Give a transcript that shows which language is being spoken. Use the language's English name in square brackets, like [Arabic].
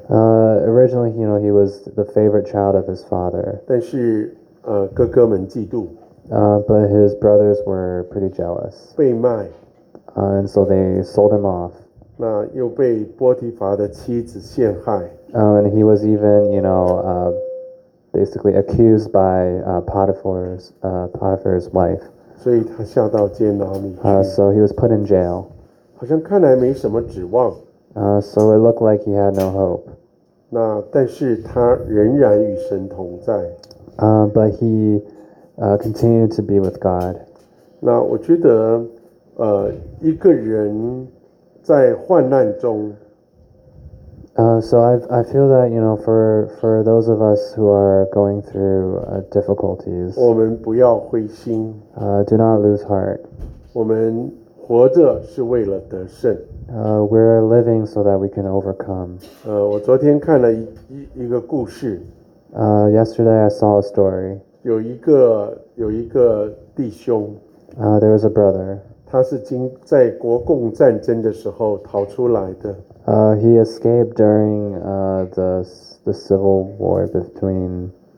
[English] Originally, you know, he was the favorite child of his father. [Chinese] 但是哥哥们嫉妒。 [English] But his brothers were pretty jealous. [Chinese] 被卖。 [English] And so they sold him off. [Chinese] 那又被波提乏的妻子陷害。 [English] And he was even, you know, basically accused by Potiphar's wife. [Chinese] 所以他下到监牢里去。 [English] So he was put in jail. [Chinese] 好像看来没什么指望。 [English] So it looked like he had no hope. [Chinese] 那但是他仍然与神同在。 [English] But he continued to be with God. [Chinese] 那我觉得一个人在患难中 [English] So I feel that, you know, for those of us who are going through difficulties, [Chinese] 我们不要灰心。 [English] Do not lose heart. [Chinese] 我们活着是为了得胜。 [English] We're living so that we can overcome. [Chinese] 我昨天看了一个故事。 [English] Yesterday I saw a story. [Chinese] 有一个弟兄。 [English] There was a brother. [Chinese] 他是在国共战争的时候逃出来的。 [English] He escaped during the civil war between